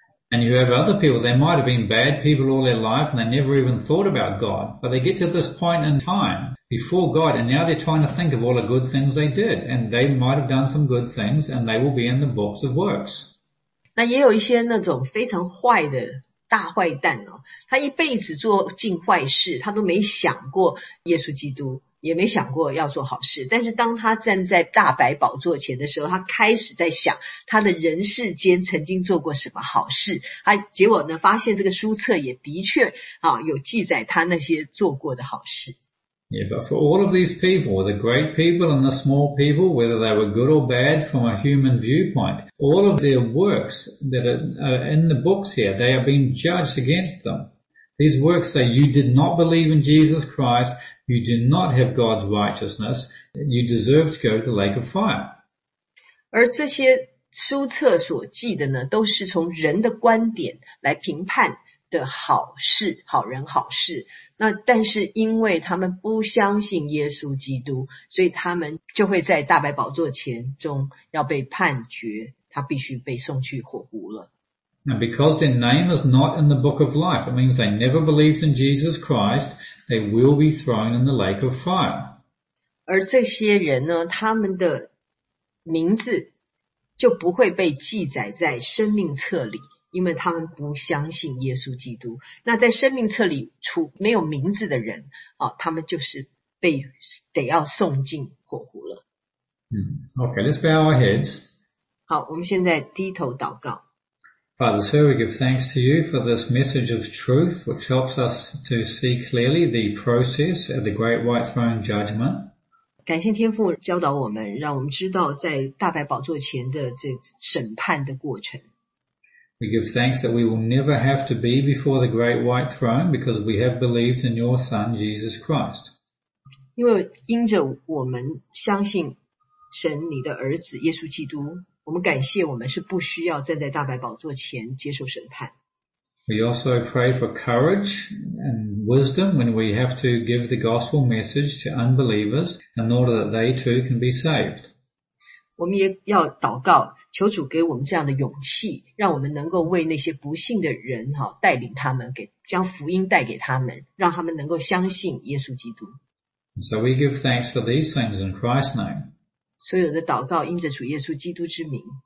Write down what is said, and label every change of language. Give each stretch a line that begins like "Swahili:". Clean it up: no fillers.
English: And you have other people, they might have been bad people all their life and they never even thought about God, but they get to this point in time before God and now they're trying to think of all the good things they did and they might have done some good things and they will be in the books of works.
Chinese: 那也有一些那种非常坏的大坏蛋哦，他一辈子做尽坏事，他都没想过耶稣基督，也没想过要做好事。但是当他站在大白宝座前的时候，他开始在想他的人世间曾经做过什么好事。他结果呢，发现这个书册也的确啊有记载他那些做过的好事。
English: Yeah, but for all of these people, the great people and the small people, whether they were good or bad from a human viewpoint, all of their works that are in the books here, they are being judged against them. These works say, you did not believe in Jesus Christ, you do not have God's righteousness, you deserve to go to the lake of fire.
Chinese: 而这些书册所记的呢，都是从人的观点来评判的好事，好人好事。那但是因为他们不相信耶稣基督，所以他们就会在大白宝座前中要被判决，他必须被送去火湖了。
English: And because their name is not in the book of life, it means they never believed in Jesus Christ, they will be thrown in the lake of fire.
Chinese: 而这些人呢，他们的名字就不会被记载在生命册里。因为他们不相信耶稣基督，那在生命册里除没有名字的人，哦，他们就是被得要送进火湖了。
English: Okay, let's bow our heads.
Chinese: 好，我们现在低头祷告。
English: Father, sir, we give thanks to you for this message of truth, which helps us to see clearly the process of the Great White Throne Judgment.
Chinese: 感谢天父教导我们，让我们知道在大白宝座前的这审判的过程。
English: We give thanks that we will never have to be before the great white throne because we have believed in your son, Jesus Christ.
Chinese: 因为因着我们相信神你的儿子耶稣基督，我们感谢我们是不需要站在大白宝座前接受审判。
English: We also pray for courage and wisdom when we have to give the gospel message to unbelievers in order that they too can be saved.
Chinese: 我们也要祷告求主给我们这样的勇气，让我们能够为那些不信的人带领他们，给将福音带给他们，让他们能够相信耶稣基督。
English: So we give thanks for these things in Christ's name.
Chinese: 所有的祷告因着主耶稣基督之名。